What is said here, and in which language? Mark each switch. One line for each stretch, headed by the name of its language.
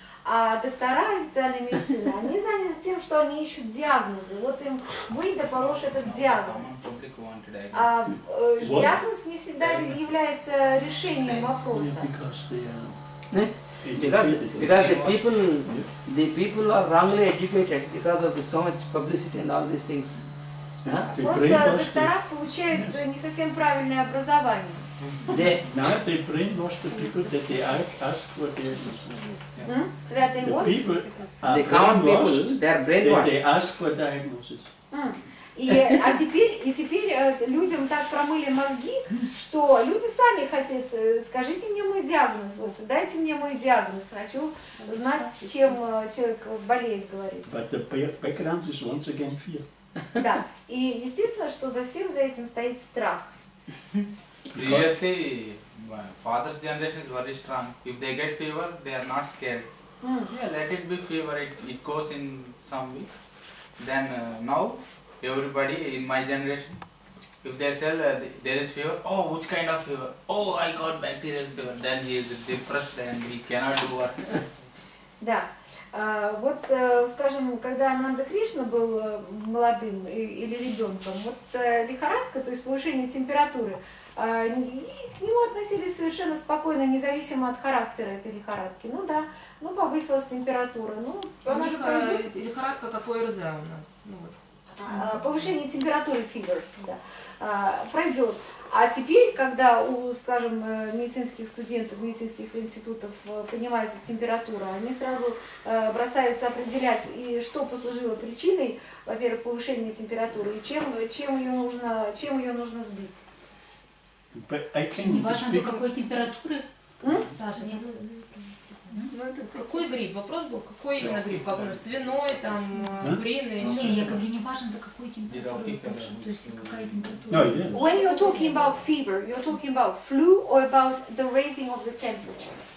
Russian: А доктора официальной медицины, они заняты тем, что они ищут диагнозы. Вот им выйдет, положит этот диагноз. А диагноз не всегда является решением вопроса.
English: Because the people are wrongly educated because of the so much publicity and all these things.
Russian: Просто доктора получают не совсем правильное образование.
English: Now they brainwash the people that they ask what they are diagnosis. The common people, they are brainwashed. They ask for diagnosis.
Russian: И теперь людям так промыли мозги, что люди сами хотят, скажите мне мой диагноз, вот, дайте мне мой диагноз, хочу знать, чем человек болеет, говорит.
English: But the background is once again fear.
Russian: Да, и естественно, что за всем за этим стоит страх.
English: Previously, father's generation is very strong. If they get fever, they are not scared. Yeah, let it be fever, it goes in some weeks. Then now, everybody in my generation, if they tell there is fever, oh, which kind of fever? Oh, I got bacterial fever. Then he is depressed and he cannot do work.
Russian: Да. Вот, скажем, когда Ананда Кришна был молодым или ребенком, вот лихорадка, то есть повышение температуры, и к нему относились совершенно спокойно, независимо от характера этой лихорадки. Ну да, ну повысилась температура. Ну, она же пройдет. Лихорадка как ОРЗ у нас. Повышение температуры, fever всегда, пройдет. А теперь, когда у, скажем, медицинских студентов, медицинских институтов поднимается температура, они сразу бросаются определять, и что послужило причиной, во-первых, повышения температуры, и чем ее нужно сбить. Не важно, до какой температуры, Саша, не какой грипп? Вопрос был, какой именно грипп? Свиной, там, куриный? Не, я говорю, не важно, до какой температуры, то есть какая температура.
English: No, yeah. When you're talking about fever, you're talking about flu or about the raising of the temperature?